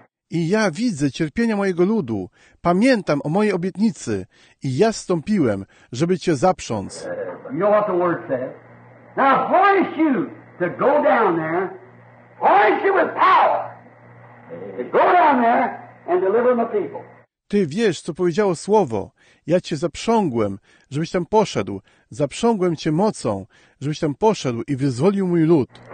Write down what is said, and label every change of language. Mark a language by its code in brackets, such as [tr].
[pl] I ja widzę cierpienia mojego ludu. Pamiętam o mojej obietnicy i ja zstąpiłem, żeby cię zaprząc. [en] You know what the word says? And I harness you to go down there. Harness you with power to go down there and deliver my people. [pl] Ty wiesz, co powiedziało słowo. Ja cię zaprzągłem, żebyś tam poszedł. Zaprzągłem cię mocą, żebyś tam poszedł i wyzwolił mój lud.